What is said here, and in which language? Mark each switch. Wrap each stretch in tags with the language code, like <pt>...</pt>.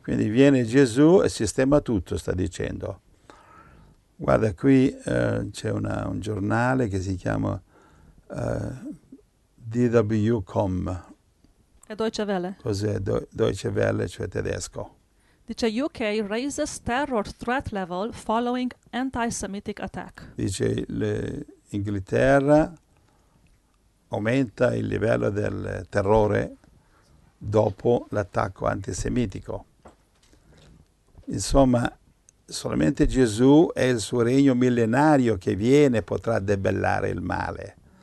<it>Quindi viene Gesù e sistema tutto, sta dicendo. Guarda, qui c'è un giornale che si chiama DW.com. E Deutsche Welle? Cos'è? Deutsche Welle, cioè tedesco. Dice,</it> <en>UK raises terror threat level following anti-Semitic attack.</en> <it>Dice, l'Inghilterra aumenta il livello del terrore dopo l'attacco antisemitico. Insomma, solamente Gesù e il suo regno millenario che viene potrà debellare il male.</it>